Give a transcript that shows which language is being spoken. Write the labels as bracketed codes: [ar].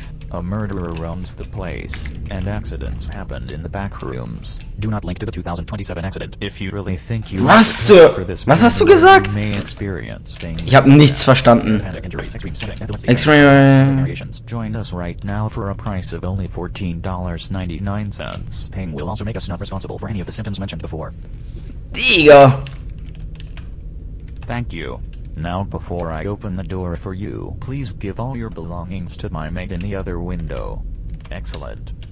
[en] A murderer roams the place and accidents happened in the back rooms. Do not link to the 2027 accident if you really think you [de] Was zur? Was hast du gesagt? Ich habe nichts verstanden. [en] Join us right now for a price of only $14.99. Ping will also make us not responsible for any of the symptoms mentioned before. [de] Digga. [en] Thank you. Now, before I open the door for you, please give all your belongings to my mate in the other window. Excellent.